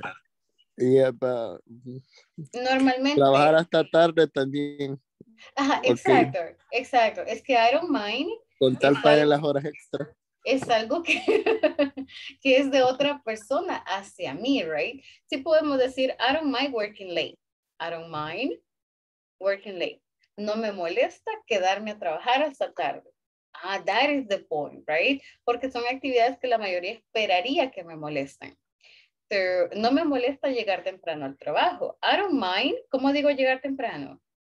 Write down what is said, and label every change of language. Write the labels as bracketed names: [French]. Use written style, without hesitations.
[English] But, yeah, but [Spanish] normalmente trabajar hasta tarde también. Ajá, exacto, okay. Exacto. Es que [English] I don't mind. [Spanish] Con tal pagar las horas extra. Es algo que, que es de otra persona hacia mí, right? Sí podemos decir, [English] I don't mind working late. I don't mind working late. [Spanish] No me molesta quedarme a trabajar hasta tarde. [English] Ah, that is the point, right? [Spanish] Porque son actividades que la mayoría esperaría que me molesten. Pero no me molesta llegar temprano al trabajo. [English] I don't mind, [Spanish] ¿cómo digo llegar temprano?